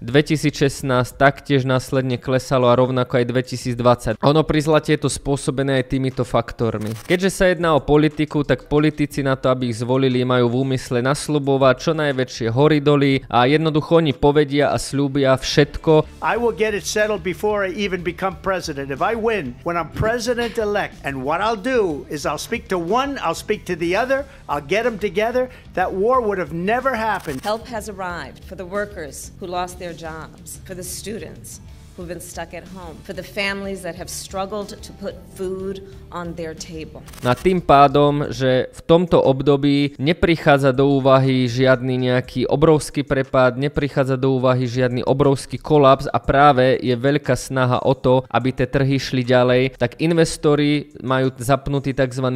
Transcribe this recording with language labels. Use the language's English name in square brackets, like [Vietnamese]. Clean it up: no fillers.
[Slovak] 2016 taktiež následne klesalo a rovnako aj 2020. Ono pri zlate je to spôsobené aj týmito faktormi. Keďže sa jedná o politiku, tak politici na to, aby ich zvolili, majú v úmysle nasľubovať čo najväčšie hory doly a jednoducho oni povedia a sľúbia všetko. [English] I will get it settled before I even become president. If I win, when I'm president elect, and what I'll do is I'll speak to one, I'll speak to the other, I'll get them together. That war would have never happened. Help has arrived for the workers who lost their jobs, for the students who've been stuck at home, for the families that have struggled to put food on their table. [Slovak] Na tým pádom, že v tomto období neprichádza do úvahy žiadny nejaký obrovský prepad, neprichádza do úvahy žiadny obrovský kolaps a práve je veľká snaha o to, aby tie trhy šli ďalej, tak investori majú zapnutý tzv.